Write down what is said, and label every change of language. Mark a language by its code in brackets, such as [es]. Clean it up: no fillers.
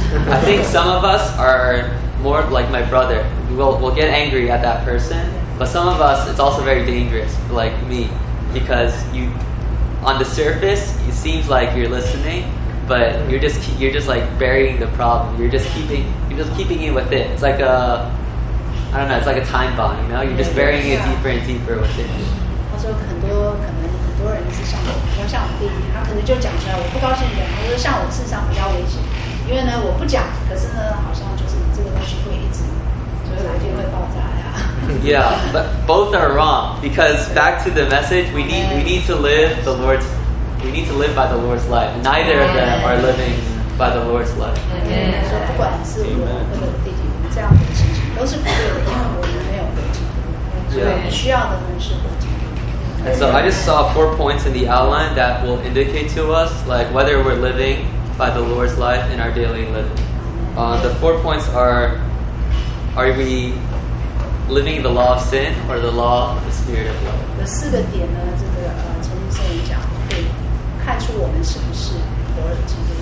[en] I think some of us are more like my brother. We'll get angry at that person, but some of us, it's also very dangerous, like me, because you, on the surface, it seems like you're listening, but you're just like burying the problem. You're just keeping it with it. It's like a, I don't know. It's like a time bomb. You know, you're just burying it deeper and deeper with it. [zh] 他说很多可能。很多人是像我，比如像我弟弟，他可能就讲出来，我不高兴的。他说像我事实上比较危险，因为呢我不讲，可是呢好像就是这个东西会一直，所以来就会爆炸呀。 [en] Yeah, but both are wrong because back to the message, we need to live the Lord's, we need to live by the Lord's life. Neither of them are living by the Lord's life. [zh] 说不管是我或者弟弟，这样的事情都是不对的，因为我们没有得救，对，需要的人是得救。 [en] And so I just saw 4 points in the outline that will indicate to us like whether we're living by the Lord's life in our daily living. The 4 points are we living the law of sin or the law of the spirit of love? [zh] 这四个点呢，这个陈先生讲可以看出我们是不是活基督。